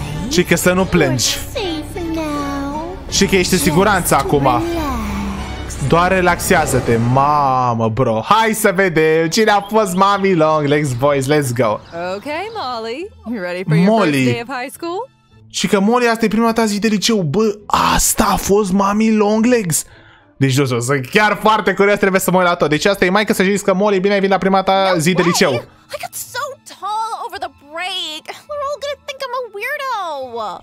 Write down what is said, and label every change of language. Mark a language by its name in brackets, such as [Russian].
[Romanian] Și că să nu plângi. Și că ești în siguranță acum. Doar relaxează-te, mamă, bro. Hai să vedem cine a fost mami Longlegs, boys, [English] let's go. Ok, Molly, you ready for your first day of high school? [Romanian] Și că Molly, asta e prima ta zi de liceu. Bă, asta a fost mami Longlegs. Deci, nu știu, sunt chiar foarte curios, trebuie să mă uit la tot. Deci asta e maică să știți că Molly, bine ai venit la prima ta zi de liceu. [English] I got so tall over the break. We're all gonna think I'm a weirdo.